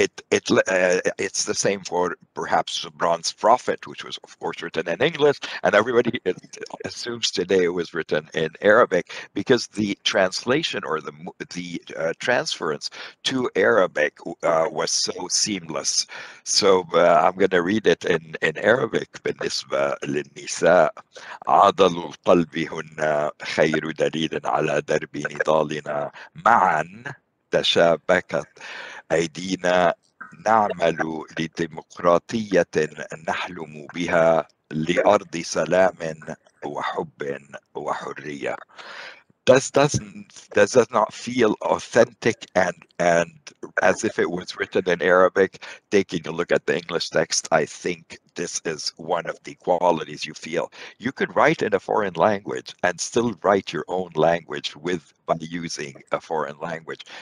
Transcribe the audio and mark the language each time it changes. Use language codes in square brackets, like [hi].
[en] It's the same for perhaps the Bronze Prophet, which was of course written in English, and everybody assumes today it was written in Arabic because the translation or the transference to Arabic was so seamless. So I'm going to read it in Arabic. [ar] بالنسبة للنساء عضل القلب هن خير دليل على درب نضالنا معا تشابكت أيدينا نعمل لديمقراطية نحلم بها لأرض سلام وحب وحرية. [en] Does not feel authentic and as if it was written in Arabic? Taking a look at the English text, I think this is one of the qualities you feel. You could write in a foreign language and still write your own language by using a foreign language.